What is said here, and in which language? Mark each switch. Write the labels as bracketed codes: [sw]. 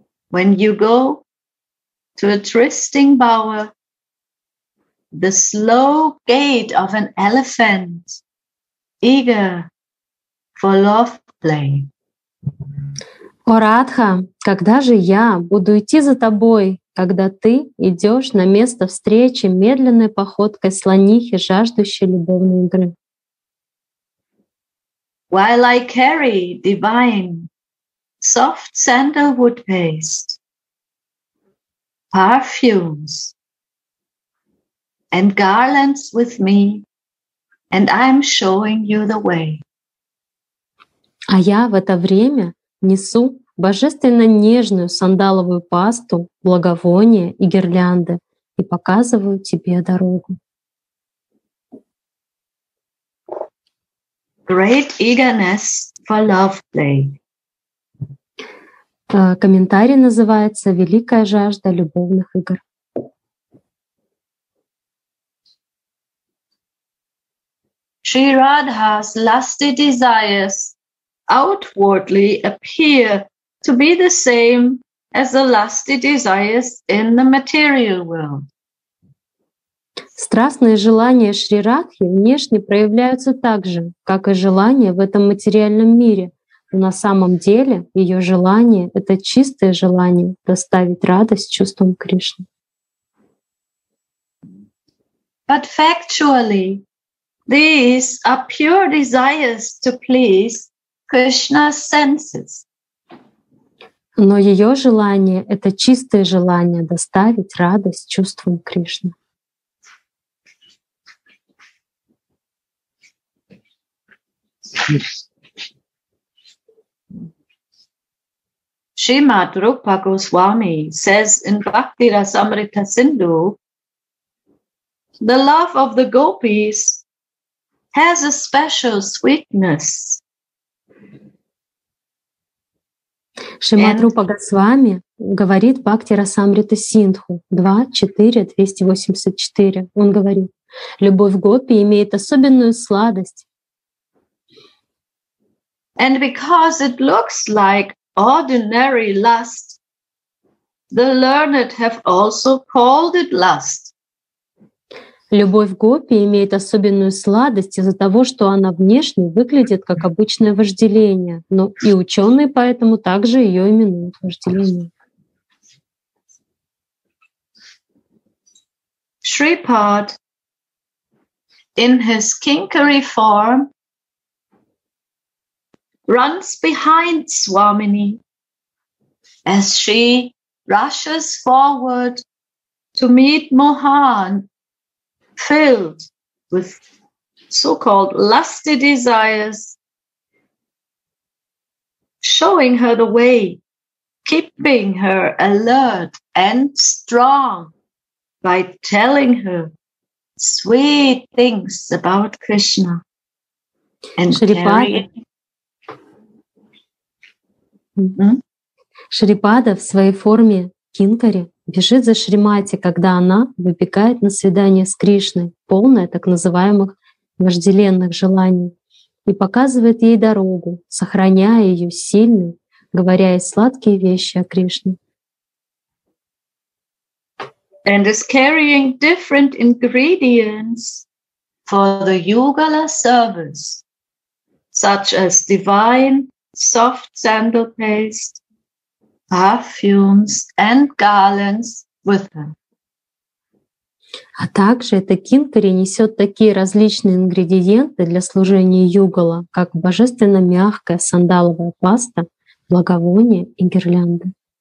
[en] When you go to a trysting bower, the slow gait of an elephant, eager for love play. [ru] О, Радха, когда же я буду идти за тобой, когда ты идешь на место встречи медленной походкой слонихи, жаждущей любовной игры? [en] While I carry divine soft sandalwood paste, perfumes and garlands with me, and I'm showing you the way. [ru] А я в это время несу божественно нежную сандаловую пасту, благовония и гирлянды и показываю тебе дорогу. [en] Great eagerness for love play. [ru] Комментарий называется «Великая жажда любовных игр». [en] Shri Radha's lusty desires outwardly appear to be the same as the lusty desires in the material world. [ru] Страстные желания Шри Радхи внешне проявляются так же, как и желания в этом материальном мире. Но на самом деле ее желание — это чистое желание доставить радость чувствам Кришны. [en] But factually, these are pure desires to please Krishna's senses. [ru] Но ее желание — это чистое желание доставить радость чувствам Кришны. [en] Srimad Rupa Goswami says in Bhakti Rasamrita Sindhu, the love of the gopis has a special sweetness. [ru] Srimad Rupa Goswami говорит Бхакти Расамрита Синдху 2.4.284. Он говорит, любовь гопи имеет особенную сладость. [en] And because it looks like ordinary lust, the learned have also called it lust. [ru] Любовь гопи имеет особенную сладость из-за того, что она внешне выглядит как обычное вожделение, но и ученые поэтому также ее именуют вожделением. [en] Shripad, in his kinkari form, runs behind Swamini as she rushes forward to meet Mohan, filled with so-called lusty desires, showing her the way, keeping her alert and strong by telling her sweet things about Krishna and carrying. [ru] Шрипада в своей форме кинкари бежит за Шримати, когда она выбегает на свидание с Кришной, полное так называемых вожделенных желаний, и показывает ей дорогу, сохраняя ее сильной, говоря ей сладкие вещи о Кришне. [en] And is carrying different ingredients for the yugala service, such as divine soft sandal paste, perfumes and garlands with her. [ru] А также эта кинкари несет такие различные ингредиенты для служения югала, как божественно мягкая сандаловая паста, благовония и гирлянды.